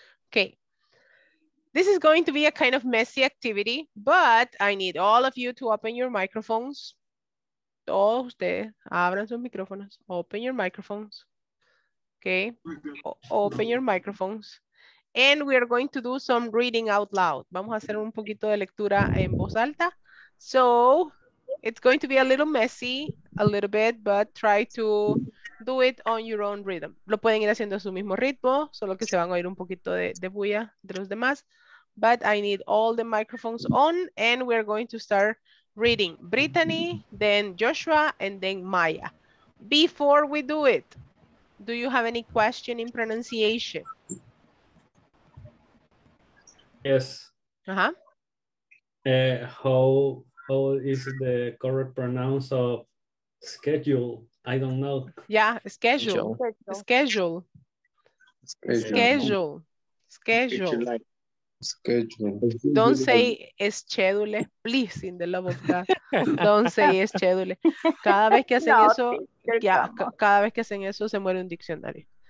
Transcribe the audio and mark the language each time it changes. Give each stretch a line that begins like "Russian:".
English: Okay, this is going to be a kind of messy activity, but I need all of you to open your microphones.
Spanish: Todos ustedes abran sus micrófonos.
English: Open your microphones. Okay, open your microphones. And we are going to do some reading out loud.
Spanish: Vamos a hacer un poquito de lectura en voz alta.
English: So it's going to be a little messy, a little bit, but try to do it on your own rhythm.
Spanish: Lo pueden ir haciendo a su mismo ritmo, solo que se van a oír un poquito de bulla de los demás.
English: But I need all the microphones on and we're going to start reading. Brittany, then Joshua, and then Maya. Before we do it, do you have any question in pronunciation? Yes. Uh-huh. How is the correct pronounce of schedule? I don't know. Yeah, schedule. Schedule. Schedule. Schedule. Schedule. Don't say schedule, please, in the love of God. Don't say schedule.
Spanish: Cada vez que hacen eso, yeah, cada vez que hacen eso, se muere un diccionario.